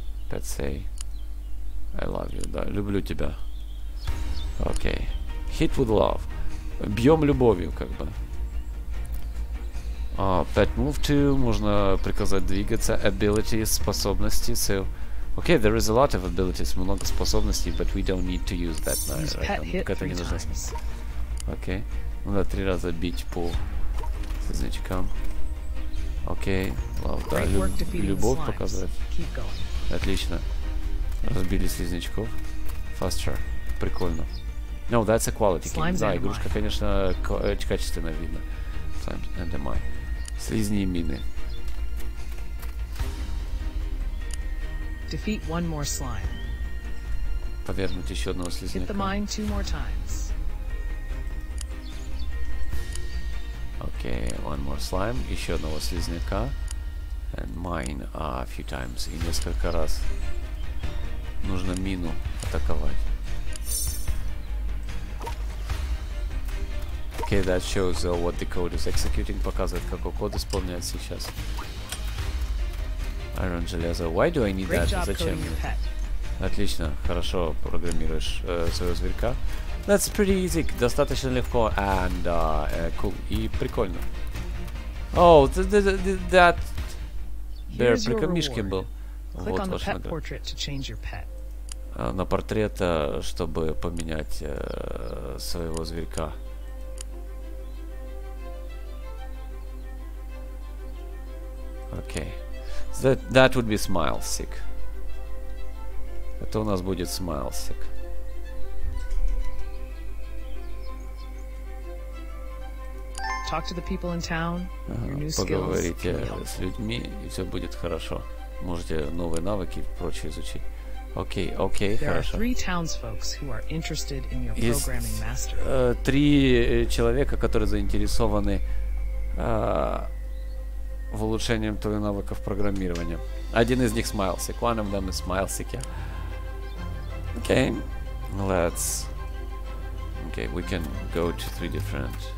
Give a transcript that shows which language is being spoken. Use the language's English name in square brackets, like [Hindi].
[English] Pet say. I love you. [Russian] Да, люблю тебя. Окей. [English] Okay. Hit with love. [Russian] Бьем любовью, как бы. [English] Pet move to. [Russian] Можно приказать двигаться. [English] Abilities, [Russian] способности. [English] So, okay, there is a lot of abilities. [Russian] Много способностей, [English] but we don't need to use that now. Use pet hit three times. [Russian] Окей. Okay. Надо три раза бить по... Значком. Окей. Да, любовь показывать. Отлично. Разбили слизнячков. [English] Faster. [Russian] Прикольно. [English] No, that's a quality game. [Russian] Да, игрушка, конечно, качественно видно. [English] Slimes and MI. [Russian] Слизни и мины. [English] Defeat one more slime. [Russian] Повергнуть еще одного слизняка. [English] Hit the mine two more times. [Russian] Окей, [English] okay, one more slime, [Russian] еще одного слизняка. [English] and mine a few times. [Russian] И несколько раз нужно мину атаковать. [English] Okay, that shows what the code is executing. [Russian] Показывает, какой код исполняется сейчас. [English] Iron железо. Why do I need Great that? [Russian] Зачем? [English] Coding, [Russian] Отлично, хорошо программируешь своего зверька. [English] That's pretty easy, [Russian] достаточно легко [English] and cool [Russian] и прикольно. [English] Oh, that bear [Russian] при комишке был. Вот ваша награда. На портрет, чтобы поменять своего зверька. [English] Okay, that would be Smilesick. [Russian] Это у нас будет [English] Smilesick. Talk to the people in town. [Russian] Поговорите с людьми, и все будет хорошо. Можете новые навыки и прочее изучить. Окей, окей, хорошо. [English] There are three townsfolks who are interested in your programming master. [Russian] Три человека, которые заинтересованы в улучшении твоих навыков программирования. Один из них [English] Smilesick. One of them is Smilesick. Okay, let's. Okay, we can go to three different.